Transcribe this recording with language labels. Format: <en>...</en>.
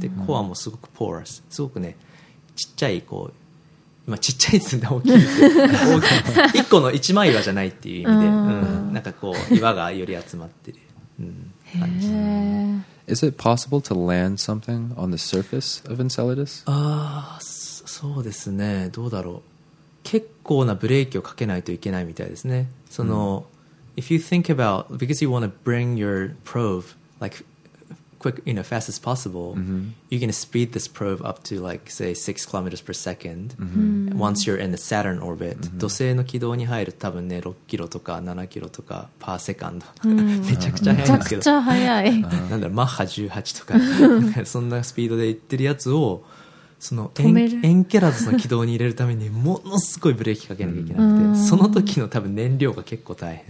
<ja>でコアもすごくポーラス、すごくねちっちゃい、こう今ちっちゃいっつうんで大きい1個の1枚岩じゃないっていう意味で、うん、なんかこう岩がより集まってる、うん、感じ。</ja> <en>Is it possible to land something on the surface of Enceladus?</en> <ja>そうですね。どうだろう。結構なブレーキをかけないといけないみたいですね。その、</ja> <en>mm. if you think about, because you want to bring your probe like quick, you know, fast as possible,、 mm-hmm. you're going to speed this probe up to like say 6 kilometers per second、 mm-hmm. once you're in the Saturn orbit.、Mm-hmm.</en> <ja>土星の軌道に入ると多分ね、6キロとか7キロとかパーセカンド。めちゃくちゃ速いんですけど。めちゃくちゃ速い。なんだろう、マッハ18とか、そんなスピードで行ってるやつを、そのエンケラドスの軌道に入れるためにものすごいブレーキかけなきゃいけなくて、その時の多分燃料が結構大変。</ja>